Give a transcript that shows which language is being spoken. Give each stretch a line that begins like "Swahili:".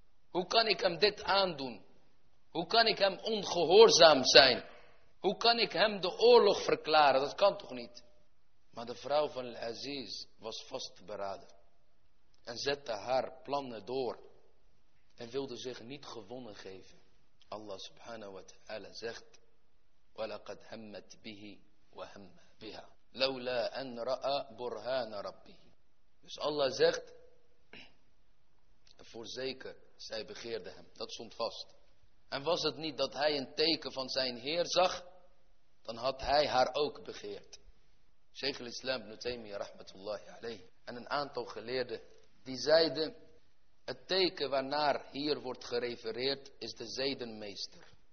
Dutch: Hoe kan ik hem dit aandoen? Hoe kan ik hem ongehoorzaam zijn? Hoe kan ik hem de oorlog verklaren? Dat kan toch niet? Maar de vrouw van Al-Aziz was vastberaden. En zette haar plannen door. En wilde zich niet gewonnen geven.
Arabic: Allah subhanahu wa ta'ala zegt, وَلَقَدْ هَمَّتْ بِهِ وَهَمَّ بِهَا لَوْلَا أَنْ رَأَى بُرْهَانَ رَبِّهِ.
Dutch: Dus Allah zegt, voorzeker, zij begeerde hem. Dat stond vast. En was het niet dat hij een teken van zijn Heer zag, dan had hij haar ook begeerd. Sheikh al-Islam ibn Taymiyyah
Arabic: rahmatullahi alayhi.
Dutch: En een aantal geleerden, die zeiden, het teken waarnaar hier wordt gerefereerd, is de zedenmeester.